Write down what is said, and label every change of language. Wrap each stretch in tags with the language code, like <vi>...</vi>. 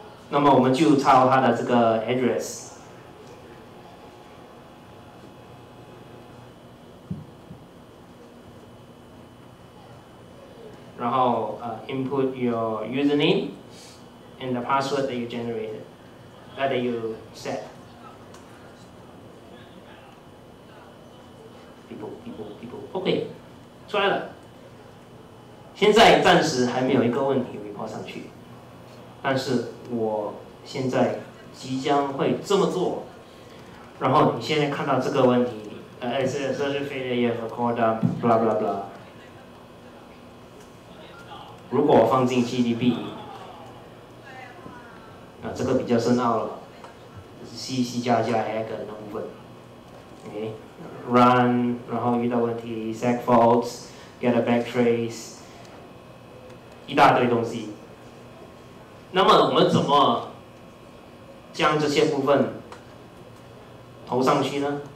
<zh>那么我们就抄它的这个</zh> <en>address，</en> <zh>然后</zh> <en>input your username and the password that you generated， that you set。</en> <zh>people OK， 出来了。现在暂时还没有一个问题 report 上去，但是我现在即将会这么做。然后你现在看到这个问题，</zh> <en>Service failure, you have a call dump, blah blah blah。</en> <zh>如果我放进 GDB， 那这个比较深奥了，这是 C++ hack 的部分。</zh> <en>Okay, run，</en> <zh>然后遇到问题</zh> <en>，seg faults， get a backtrace，</en> <zh>一大堆东西。那么我们怎么将这些部分投上去呢？</zh>